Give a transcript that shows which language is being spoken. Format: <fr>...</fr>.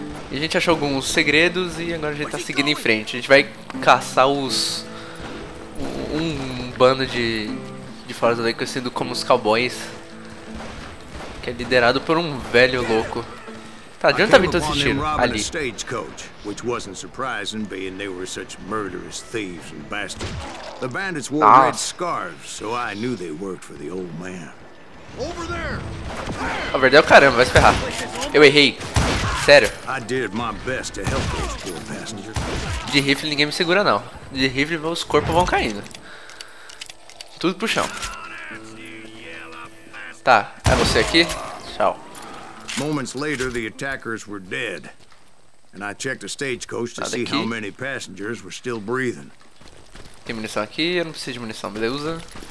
<pt>E a gente achou alguns segredos e agora a gente tá seguindo em frente. A gente vai caçar os... Um bando de fora da lei conhecido como os cowboys. É liderado por um velho louco. Tá, de onde tá vindo assistindo? Ali.</pt> <en>Stagecoach, which wasn't surprising, being they were such murderous thieves and bastards. The bandits wore red scarves, so I knew they worked for the old man. Over there.</en> <pt>A verdade é o caramba, vai se ferrar. Eu errei. Sério.</pt> <en>I did my best to help those poor bastards.</en> <pt>De rifle ninguém me segura não. De rifle os corpos vão caindo. Tudo pro chão. Tá, é você aqui? Tchau.</pt> <en>Moments later, the attackers were dead. And I checked the stagecoach to see how many passengers were still breathing.</en> <pt>Tem munição aqui, eu não preciso de munição, beleza?</pt>